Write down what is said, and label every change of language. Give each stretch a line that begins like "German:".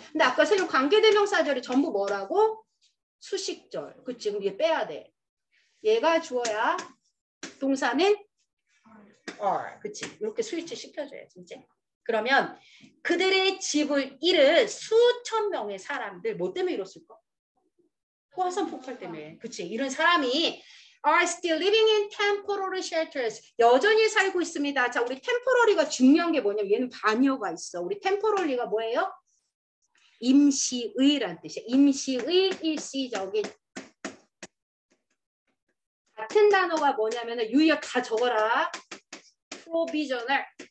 Korean: 근데 아까 선생님 관계대명사 절이 전부 뭐라고? 수식절. 그치? 그럼 이게 빼야 돼. 얘가 주어야 동사는 are. 그치? 이렇게 스위치 시켜줘야지. 이제. 그러면 그들의 집을 잃은 수천 명의 사람들 뭐 때문에 잃었을까? 화산 폭발 때문에. 그치?
English: 이런 사람이 are still living in temporary shelters.
Korean: 여전히 살고 있습니다. 자, 우리 temporary가 중요한 게 뭐냐면 얘는 반여가 있어. 우리 temporary가 뭐예요? 임시의란 뜻이야. 임시의 일시적인. 같은 단어가 뭐냐면 유의어 다 적어라.
English: provisional.